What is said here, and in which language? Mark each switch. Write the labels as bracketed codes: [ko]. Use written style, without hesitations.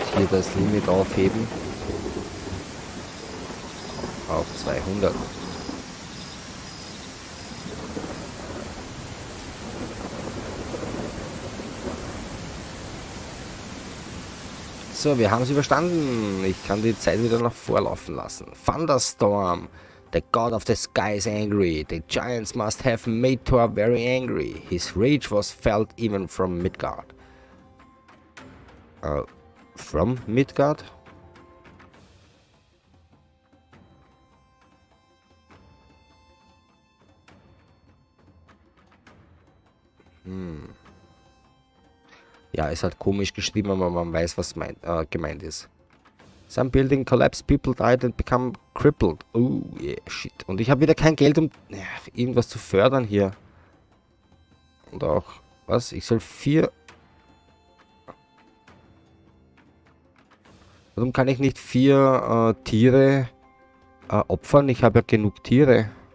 [de] Das Limit aufheben auf 200. So, wir haben es überstanden. Ich kann die Zeit wieder nach vorlaufen lassen. [en] Thunderstorm. The God of the Sky is angry. The Giants must have made Thor very angry. His rage was felt even from Midgard. From Midgard. [de] Ja, ist halt komisch geschrieben, aber man weiß, was gemeint ist. [en] Some building collapsed, people died and become crippled. Oh, yeah, shit. [de] Und ich habe wieder kein Geld, um irgendwas zu fördern hier. Und auch, was? Ich soll 4... Warum kann ich nicht 4 Tiere opfern? Ich habe ja genug Tiere.